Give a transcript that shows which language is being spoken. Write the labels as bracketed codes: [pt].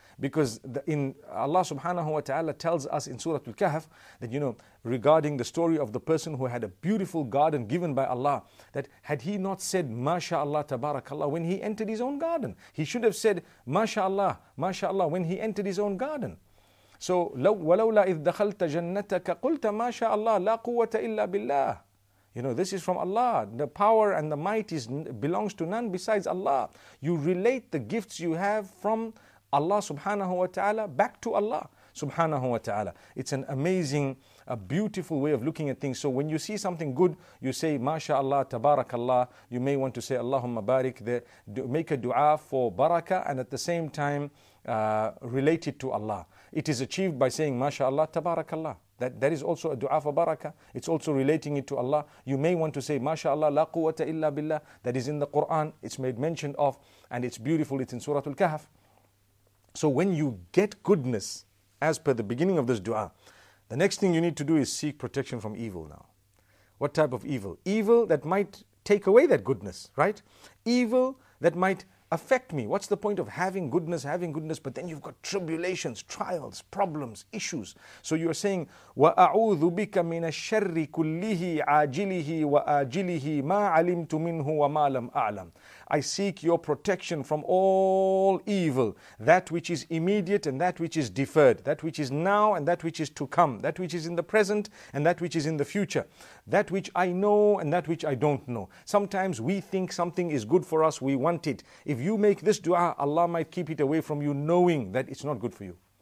[en] Because in Allah subhanahu wa ta'ala tells us in Surah Al-Kahf that, you know, regarding the story of the person who had a beautiful garden given by Allah, that had he not said, MashaAllah, Tabarakallah, when he entered his own garden, he should have said, MashaAllah, MashaAllah, when he entered his own garden. [ar] So, وَلَوْلَا إِذْ دَخَلْتَ جَنَّتَكَ قُلْتَ MashaAllah, لَا قُوَّةَ إِلَّا بِاللَّهِ. [en] You know, this is from Allah. The power and the might belongs to none besides Allah. You relate the gifts you have from Allah subhanahu wa ta'ala back to Allah subhanahu wa ta'ala. It's an amazing, a beautiful way of looking at things. So when you see something good, you say, MashaAllah, Tabarakallah. You may want to say, Allahumma barik, make a dua for barakah and at the same time relate it to Allah. It is achieved by saying, MashaAllah, Tabarakallah. That is also a dua for barakah. It's also relating it to Allah. You may want to say, MashaAllah, la quwwata illa billah. That is in the Quran. It's made mention of and it's beautiful. It's in Surah Al-Kahf. So when you get goodness, as per the beginning of this dua, the next thing you need to do is seek protection from evil now. What type of evil? Evil that might take away that goodness, right? Evil that might affect me. What's the point of having goodness, but then you've got tribulations, trials, problems, issues. So you're saying, [ar] وَأَعُوذُ بِكَ مِنَ الشَّرِّ كُلِّهِ عَاجِلِهِ وَآجِلِهِ مَا عَلِمْتُ مِنْهُ وَمَا لَمْ أَعْلَمْ. [en] I seek your protection from all evil, that which is immediate and that which is deferred, that which is now and that which is to come, that which is in the present and that which is in the future, that which I know and that which I don't know. Sometimes we think something is good for us, we want it. If you make this dua, Allah might keep it away from you, knowing that it's not good for you.